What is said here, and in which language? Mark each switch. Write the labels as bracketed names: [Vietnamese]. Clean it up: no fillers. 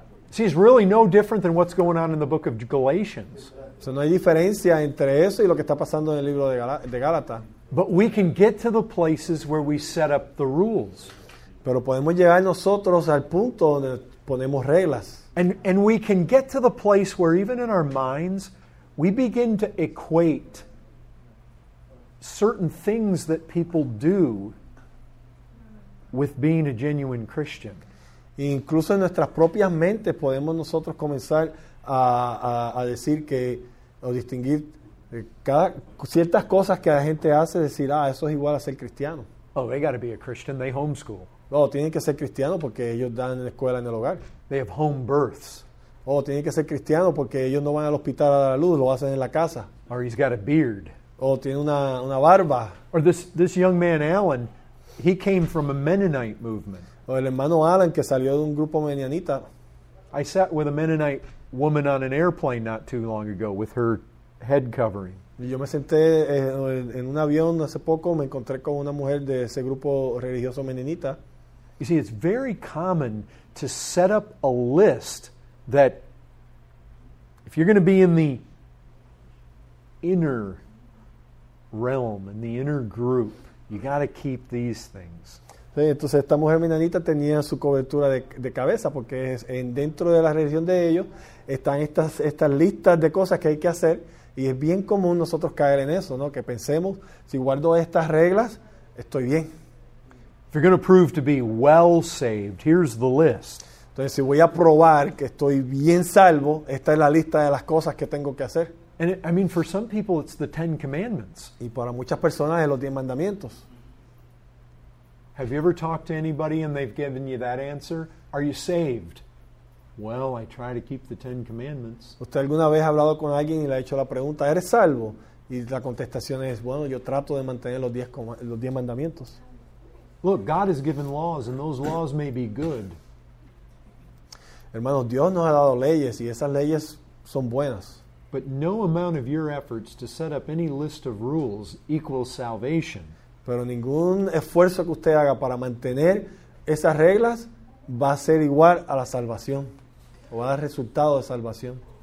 [English] See, it's really no different than what's going on in the book of Galatians. [Spanish] So no hay diferencia entre eso y lo que está pasando en el libro de Gálatas. [English] But we can get to the places where we set up the rules. [Spanish] Pero podemos llegar nosotros al punto donde ponemos reglas. [English] And we can get to the place where even in our minds, we begin to equate certain things that people do with being a genuine Christian. [Spanish] Incluso en nuestras propias mentes podemos nosotros comenzar a decir que, o distinguir ciertas cosas que la gente hace, decir, ah, eso es igual a ser cristiano. [English] Oh, they got to be a Christian, they homeschool. [Spanish] No, tienen que ser cristianos porque ellos dan en la escuela en el hogar. [English] They have home births. [Spanish] Oh, tienen que ser cristianos porque ellos no van al hospital a dar a luz, lo hacen en la casa. [English] Or he's got a beard. [Spanish] Oh, tiene una barba. [English] Or this young man, Alan, he came from a Mennonite movement. [Spanish] O el hermano Alan, que salió de un grupo menianita. [English] I sat with a Mennonite woman on an airplane not too long ago with her head covering. [Spanish] Yo me senté en un avión hace poco, me encontré con una mujer de ese grupo religioso menenita. [English] You see, it's very common to set up a list that if you're going to be in the inner realm, in the inner group, you got to keep these things. [Spanish] Sí, entonces esta mujer menenita tenía su cobertura de cabeza porque es en dentro de la religión de ellos están estas listas de cosas que hay que hacer. Y es bien común nosotros caer en eso, ¿no? Que pensemos, si guardo estas reglas, estoy bien. [English] If you're going to prove to be well saved, here's the list. [Spanish] Entonces, si voy a probar que estoy bien salvo, esta es la lista de las cosas que tengo que hacer. [English] And it, I mean, for some people, it's the Ten Commandments. [Spanish] Y para muchas personas es los 10 mandamientos. [English] Have you ever talked to anybody and they've given you that answer? Are you saved? Well, I try to keep the Ten Commandments. [Spanish] ¿Usted alguna vez ha hablado con alguien y le ha hecho la pregunta, ¿eres salvo? Y la contestación es, bueno, yo trato de mantener los diez mandamientos. [English] Look, God has given laws, and those laws may be good. [Spanish] Hermanos, Dios nos ha dado leyes, y esas leyes son buenas. [English] But no amount of your efforts to set up any list of rules equals salvation. [Spanish] Pero ningún esfuerzo que usted haga para mantener esas reglas va a ser igual a la salvación o va a dar resultado de salvación.